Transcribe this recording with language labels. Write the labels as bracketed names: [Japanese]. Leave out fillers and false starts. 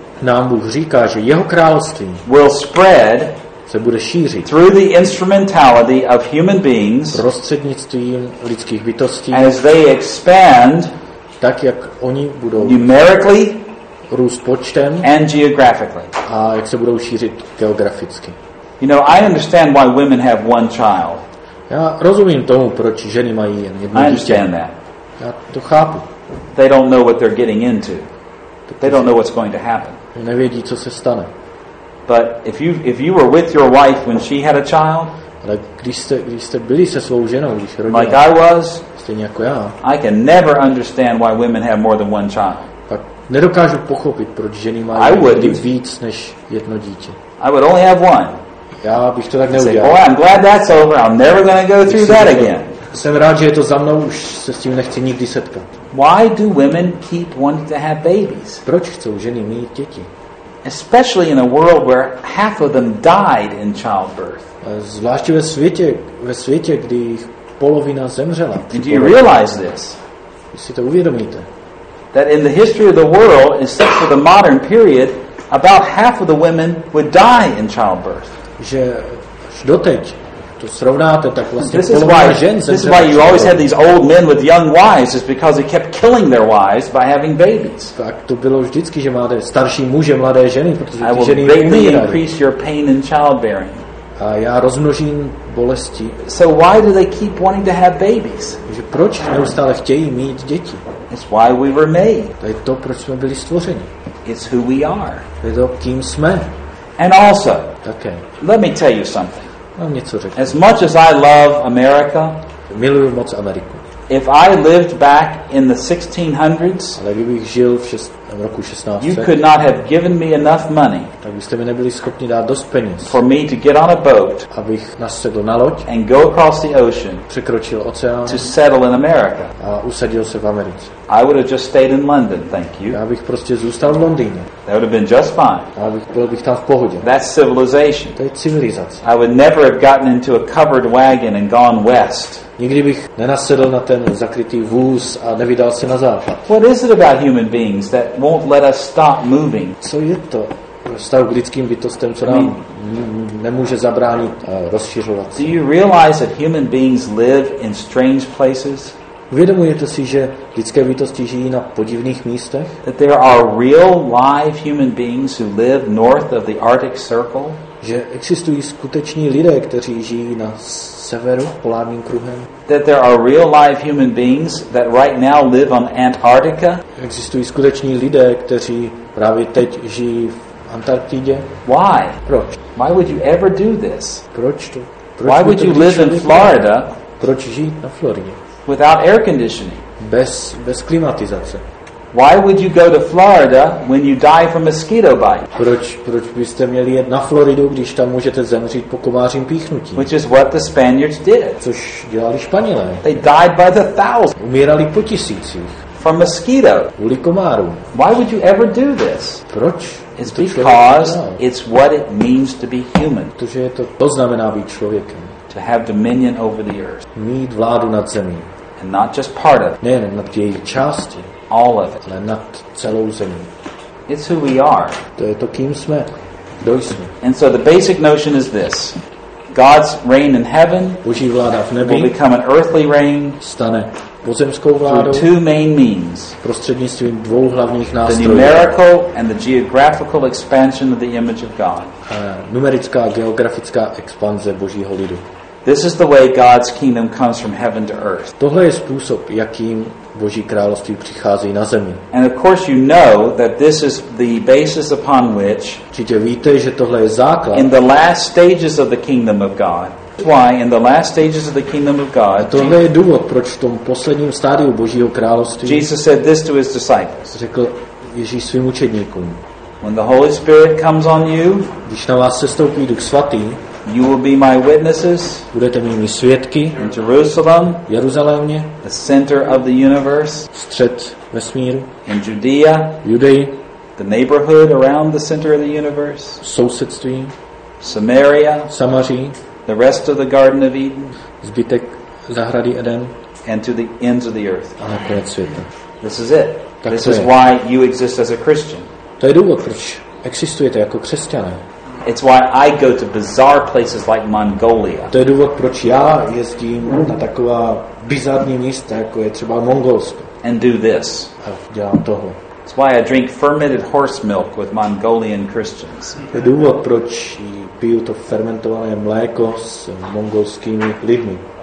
[Czech] nám Bůh říká, že jeho království [English] will spread, [Czech] se bude šířit [English] through the instrumentality of human beings, [Czech] prostřednictvím lidských bytostí, [English] as they expand, [Czech] tak jak oni budou [English] numerically [Czech] růst počtem [English] and geographically, [Czech] a jak se budou šířit geograficky. [English] You know, I understand why women have one child. [Czech] Já rozumím tomu, proč ženy mají jen jedno dítě. [English] I understand that. [Czech] Já to chápu. [English] They don't know what they're getting into. They don't know what's going to happen. [Czech] Nevědí, co se stane. [English] But if you were with your wife when she had a child, [Czech] Ale když jste byli se svou ženou, když rodila, [English] like I was, [Czech] stejně jako já, [English] I can never understand why women have more than one child. [Czech] Tak nedokážu pochopit, proč ženy mají víc než jedno dítě. [English] I would only have one. [Czech] Já bych to tak neudělal. [English] Say, I'm glad that's over. I'm never going to go through that again. [Czech] Jsem rád, že je to za mnou, už se s tím nechci nikdy setkat. [English] Why do women keep wanting to have babies? [Czech] Proč chcou ženy mít děti? [English] Especially in a world where half of them died in childbirth. [Czech] Zvláště ve světě, kdy jich polovina zemřela. [English] Do you realize this? [Czech] Vy si to uvědomíte? [English] That in the history of the world, except for the modern period, about half of the women would die in childbirth. [Czech] Že doteď to srovnáte, tak vlastně [English] this [Czech] polovina [English] why, [Czech] žen zemřela. [English] This is why you always had these old men with young wives, is because they kept killing their wives by having babies. [Czech] Tak to bylo vždycky, že máte starší muže, mladé ženy, protože ty ženy umírali. [English] I will greatly increase your pain in childbearing. [Czech] A já rozmnožím bolesti. [English] So why do they keep wanting to have babies? [Czech] Že proč neustále chtějí mít děti? [English] It's why we were made. [Czech] To je to, proč jsme byli stvořeni. [English] It's who we are. [Czech] To je to, kým jsme. [English] And also, okay. Let me tell you something. [Czech] Mám něco řeknu. [English] As much as I love America, [Czech] miluji moc Ameriku. [English] If I lived back in the 1600s, [Czech] ale kdybych žil v roku 1600, [English] you could not have given me enough money, [Czech] tak byste mi nebyli schopni dát dost peněz, [English] for me to get on a boat, [Czech] abych nasedl na loď, [English] and go across the ocean, [Czech] překročil oceán, [English] to settle in America, [Czech] a usadil se v Americe. [English] I would have just stayed in London, thank you. [Czech] Já bych prostě zůstal v Londýně. [English] That would have been just fine. [Czech] Byl bych tam v pohodě. [English] That's civilization. [Czech] To je civilizace. [English] I would never have gotten into a covered wagon and gone west. [Czech] Nikdy bych nenasedl na ten zakrytý vůz a nevydal se na západ. [English] What is it about human beings that won't let us stop moving? [Czech] Co je to vztahu k lidským bytostem, co nám nemůže zabránit rozšiřovat? [English] Do you realize that human beings live in strange places? [Czech] Uvědomujete si, že lidské bytosti žijí na podivných místech? [English] That there are real live human beings who live north of the Arctic Circle? [Czech] Že existují skuteční lidé, kteří žijí na severu polárním kruhem. [English] That there are real live human beings that right now live on Antarctica. [Czech] Existují skuteční lidé, kteří právě teď žijí v Antarktidě. [English] Why? [Czech] Proč? [English] Why would you ever do this? [Czech] Proč to? Proč [English] Why would you live in Florida? [Czech] Proč žít na Floridě? [English] Without air conditioning. [Czech] Bez klimatizace. [English] Why would you go to Florida when you die from a mosquito bite? [Czech] Proč byste měli jet na Floridu, když tam můžete zemřít po komářím píchnutí? [English] Which is what the Spaniards did. [Czech] Což dělali Španělé. [English] They died by the thousands. [Czech] Umírali po tisících. [English] From mosquito. [Czech] Kvůli komárům. [English] Why would you ever do this? [Czech] Proč? [English] It's because it's what it means to be human. [Czech] Protože je to znamená být člověkem. [English] To have dominion over the earth. [Czech] Mít vládu nad zemí. [English] And not just part of it. [Czech] Ne, nad její části. [English] All of it. [Czech] Ale nad celou zemí. [English] It's who we are. [Czech] To je to, kým jsme. Kdo jsme. [English] And so the basic notion is this. God's reign in heaven, [Czech] Boží vláda v nebi, [English] will become an earthly reign, [Czech] stane pozemskou vládou, [English] through two main means. [Czech] Prostřednictvím dvou hlavních nástrojů. [English] The numerical and the geographical expansion of the image of God. [Czech] Numerická a geografická expanze Božího lidu. [English] This is the way God's kingdom comes from heaven to earth. [Czech] Tohle je způsob, jakým Boží království přichází na zemi. [English] And of course you know that this is the basis upon which, [Czech] určitě víte, že tohle je základ. [English] In the last stages of the kingdom of God. Why in the last stages of the kingdom of God? [Czech] Tohle je důvod, proč v tom posledním stádiu Božího království. [English] Jesus said this to his disciples. [Czech] Řekl Ježíš svým učedníkům. [English] When the Holy Spirit comes on you, [Czech] když na vás sestoupí Duch svatý, [English] you will be my witnesses. [Czech] Budete mými svědky. [English] In Jerusalem, [Czech] Jeruzalémě, [English] the center of the universe. [Czech] Střed vesmíru. [English] In Judea, [Czech] Judei, [English] the neighborhood around the center of the universe. [Czech] Sousedství. [English] Samaria, [Czech] Samaří, [English] the rest of the Garden of Eden. [Czech] Zbytek zahrady Eden. [English] And to the ends of the earth. [Czech] A nakonec světa. [English] This is it. [Czech] Tak [English] this [Czech] to [English] is [Czech] je. [English] Why you exist as a Christian. [Czech] To je důvod, proč existujete jako křesťané. [English] It's why I go to bizarre places like Mongolia. [Czech] To je důvod, proč já jezdím na taková bizarní místa, jako je třeba Mongolsko. [English] And do this. [Czech] A dělám tohle. [English] It's why I drink fermented horse milk with Mongolian Christians. [Czech] To je důvod, proč piju to fermentované mléko s mongolskými lidmi.